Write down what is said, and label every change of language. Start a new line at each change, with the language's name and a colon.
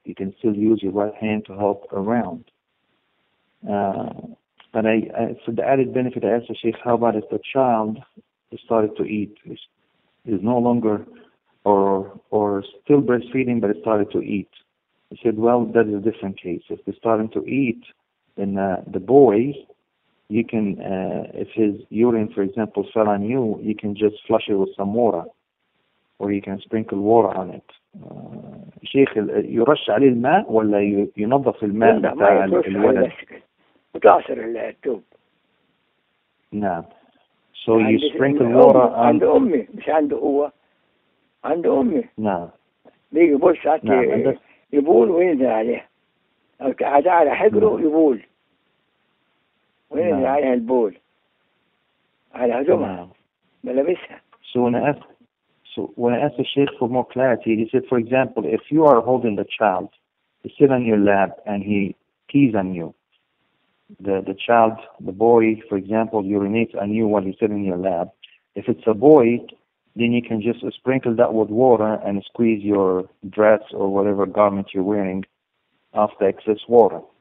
English: You can still use your right hand to help around. But I, for the added benefit, I asked the Sheikh, how about if the child started to eat, is no longer, or still breastfeeding, but started to eat? He said, well, that is a different case. If they're starting to eat, then the boy, you can, if his urine, for example, fell on you, you can just flush it with some water, or you can sprinkle water on it.
Arabic: Sheikh,
English: you rush
Arabic: عليه الماء ولا ينظف الماء بتاع الولد؟ وتعصر الثوب. نعم.
English: So you sprinkle water on.
Arabic: عند أمي، مش عند هو، عند أمي. نعم. بيجي بول ساعات يبول وينزل عليه، أو قاعد على حجره يبول. وينزل عليها البول على هدومها ملابسها.
English: So when I asked the Sheikh for more clarity, he said, for example, if you are holding the child, he sits on your lap and he pees on you, the child, the boy, for example, urinates on you while he's sitting in your lap. If it's a boy, then you can just sprinkle that with water and squeeze your dress or whatever garment you're wearing off the excess water.